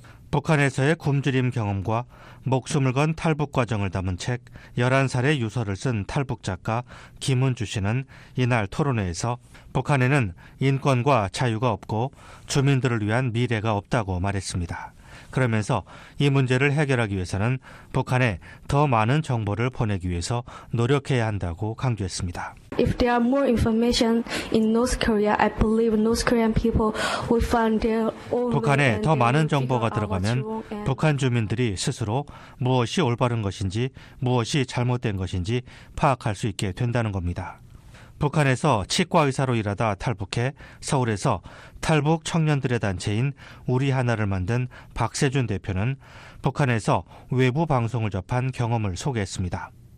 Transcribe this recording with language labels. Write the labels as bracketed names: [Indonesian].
[Korean] 북한에서의 굶주림 경험과 목숨을 건 탈북 과정을 담은 책 11살의 유서를 쓴 탈북 작가 김은주 씨는 이날 토론회에서 북한에는 인권과 자유가 없고 주민들을 위한 미래가 없다고 말했습니다. 그러면서 이 문제를 해결하기 위해서는 북한에 더 많은 정보를 보내기 위해서 노력해야 한다고 강조했습니다. [English] If there are more information in North Korea, I believe North Korean people will find their own. [Korean] 북한에 더 많은 정보가 들어가면 북한 주민들이 스스로 무엇이 올바른 것인지 무엇이 잘못된 것인지 파악할 수 있게 된다는 겁니다. 북한에서 치과 의사로 일하다 탈북해 서울에서 탈북 청년들의 단체인 우리 하나를 만든 박세준 대표는 북한에서 외부 방송을 접한 경험을 소개했습니다.